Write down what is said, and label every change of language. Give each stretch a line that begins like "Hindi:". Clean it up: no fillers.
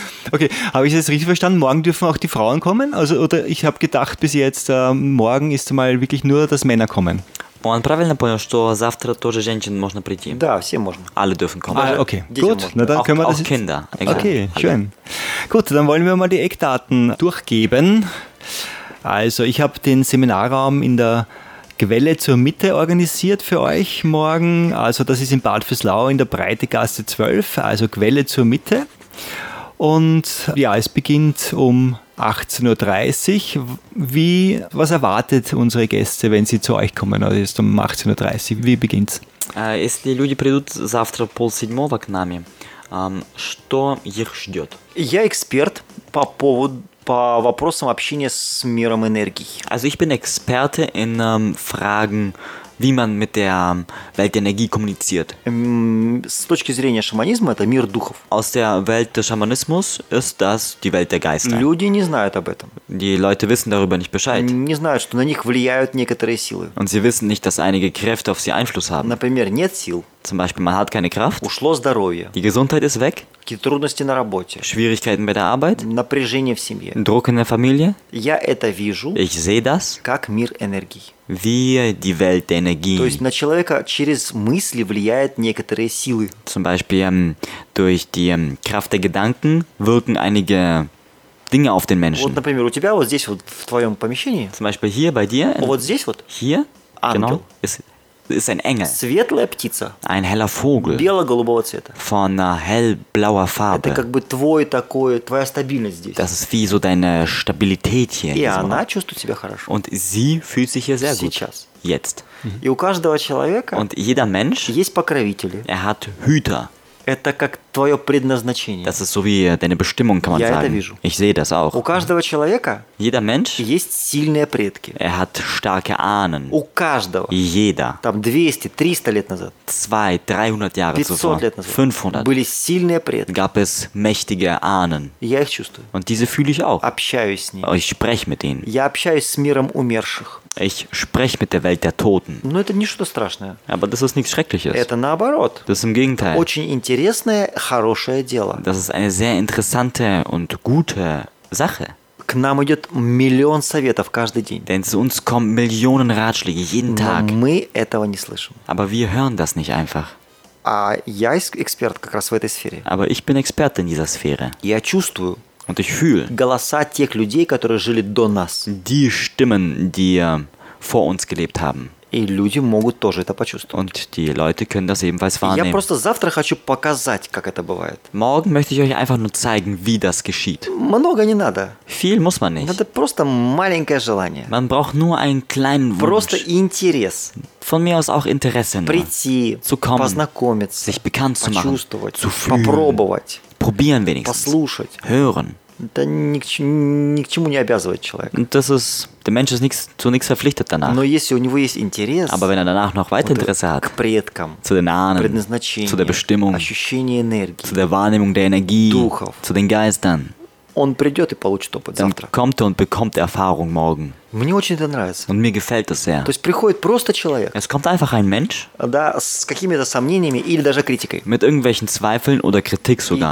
German: Okay, habe ich das richtig verstanden? Morgen dürfen auch die Frauen kommen? Also, oder ich habe gedacht bis jetzt, morgen ist mal wirklich nur, dass Männer kommen.
Russian: Он правильно понял, что завтра тоже женщин можно прийти? Да, все можно.
German: Alle dürfen kommen. Ah, okay, gut. Na, dann können wir auch Kinder. Egal. Okay, schön. Gut, dann wollen wir mal die Eckdaten durchgeben. Also, ich habe den Seminarraum in der Quelle zur Mitte organisiert für euch morgen. Also, das ist in Bad Vöslau in der Breitegasse 12, also Quelle zur Mitte. Und ja, es beginnt um 18.30 Uhr. Was erwartet unsere Gäste, wenn sie zu euch kommen? Also ist um 18.30 Uhr. Wie beginnt's?
Russian: Если люди придут завтра пол седьмого к нами, что их ждет? Я эксперт по вопросам общения с миром энергии.
German: Also ich bin Experte in Fragen, wie man mit der Welt der Energie kommuniziert.
Russian: С точки зрения шаманизма это мир духов.
German: Aus der Welt des Schamanismus ist das die Welt der Geister.
Russian: Люди не знают об этом.
German: Die Leute wissen darüber nicht Bescheid.
Russian: Не знают, что на них влияют некоторые силы.
German: Und sie wissen nicht, dass einige Kräfte auf sie Einfluss haben.
Russian: Например, нет сил.
German: Zum Beispiel, man hat keine Kraft.
Russian: Ушло здоровье.
German: Die Gesundheit ist weg.
Russian: Какие трудности на работе.
German: Schwierigkeiten bei der Arbeit.
Russian: Напряжение в семье.
German: Druck in der Familie.
Russian: Я это вижу.
German: Ich sehe das.
Russian: Как мир энергии.
German: Wie die Welt der Energie.
Russian: То есть на человека через мысли влияют некоторые силы.
German: Zum Beispiel, durch die Kraft der Gedanken wirken einige Dinge auf den Menschen.
Russian: Вот, например, у тебя вот здесь вот в твоем помещении.
German: Zum Beispiel hier bei dir.
Russian: Вот здесь вот.
German: Hier.
Russian: Ангел.
German: Genau. Ist ein Engel.
Russian: Светлая птица.
German: Ein heller Vogel.
Russian: Бело-голубого цвета.
German: Von hellblauer Farbe.
Russian: Это как бы твой такой, твоя стабильность здесь.
German: Das ist wie so deine Stabilität hier.
Russian: И она чувствует себя хорошо.
German: Und sie fühlt sich hier sehr
Russian: сейчас.
German: Gut.
Russian: Сейчас.
German: Jetzt.
Russian: И у каждого человека
German: und jeder Mensch
Russian: есть покровители.
German: Er hat Hüter.
Russian: Это как твое предназначение.
German: Das ist so wie deine Bestimmung, kann man sagen.
Russian: Я это вижу.
German: Ich sehe das auch.
Russian: У каждого человека
German: jeder Mensch
Russian: есть сильные предки.
German: Er hat starke Ahnen.
Russian: У каждого.
German: Jeder.
Russian: Там 200-300 лет назад.
German: 200-300 Jahre zuvor.
Russian: 500 лет назад.
German: 500.
Russian: Были сильные предки.
German: Gab es mächtige Ahnen.
Russian: Я их чувствую.
German: Und diese fühle ich auch.
Russian: Общаюсь с ними.
German: Ich spreche mit ihnen.
Russian: Я общаюсь с миром умерших.
German: Ich spreche mit der Welt der Toten.
Russian: Но это не что-то страшное.
German: Aber das ist nichts Schreckliches.
Russian: Это наоборот.
German: Das ist im Gegenteil.
Russian: Очень интересное, хорошее дело.
German: Das ist eine sehr interessante und gute Sache.
Russian: К нам идет миллион советов каждый день.
German: Denn zu uns kommen Millionen Ratschläge jeden Tag.
Russian: Но мы этого не слышим.
German: Aber wir hören das nicht einfach.
Russian: А я эксперт как раз в этой сфере.
German: Aber ich bin Experte in dieser Sphäre.
Russian: Я чувствую.
German: Und ich fühle
Russian: голоса тех людей, которые жили до нас.
German: Die Stimmen, die vor uns gelebt haben.
Russian: И люди могут тоже это почувствовать.
German: Und die Leute können das ebenfalls wahrnehmen.
Russian: Я просто завтра хочу показать, как это бывает.
German: Morgen möchte ich euch einfach nur zeigen, wie das geschieht.
Russian: Много не надо.
German: Viel muss man nicht.
Russian: Надо просто маленькое желание.
German: Man braucht nur einen kleinen Wunsch.
Russian: Просто интерес.
German: Von mir aus auch Interesse.
Russian: Прийти,
German: zu kommen,
Russian: познакомиться,
German: sich bekannt zu machen,
Russian: почувствовать,
German: zu fühlen,
Russian: попробовать.
German: Probieren wenigstens.
Russian: Послушать.
German: Hören.
Russian: Да ни к чему не обязывает человек.
German: Das ist, der Mensch ist nichts, zu nichts verpflichtet danach.
Russian: Но если у него есть интерес,
German: aber wenn er danach noch weiter Interesse hat,
Russian: к предкам,
German: zu den Ahnen,
Russian: предназначению,
German: zu der Bestimmung,
Russian: ощущение энергии,
German: zu der Wahrnehmung der Energie,
Russian: духов,
German: zu den Geistern,
Russian: он придет и получит опыт
German: dann
Russian: завтра.
German: Kommt er und bekommt Erfahrung morgen.
Russian: Мне очень это нравится.
German: Und mir gefällt das sehr.
Russian: То есть приходит просто человек.
German: Es kommt einfach ein Mensch.
Russian: Да, с какими-то сомнениями или даже критикой.
German: Mit irgendwelchen Zweifeln oder Kritik sogar.